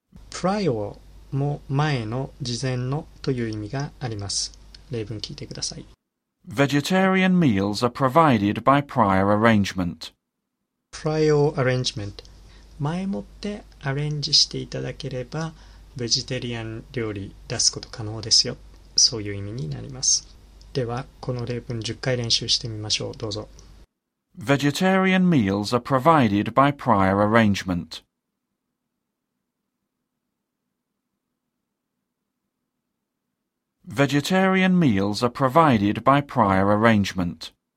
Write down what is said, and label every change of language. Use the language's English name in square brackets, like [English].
[Japanese] Prior も前の、事前のという意味があります。例文聞いてください。 [English] Vegetarian meals are provided by prior arrangement. Prior arrangement. [Japanese] 前もってアレンジしていただければベジタリアン料理出すこと可能ですよ。そういう意味になります。ではこの例文10回練習してみましょう。どうぞ。 [English] Vegetarian meals are provided by prior arrangement. Vegetarian meals are provided by prior arrangement.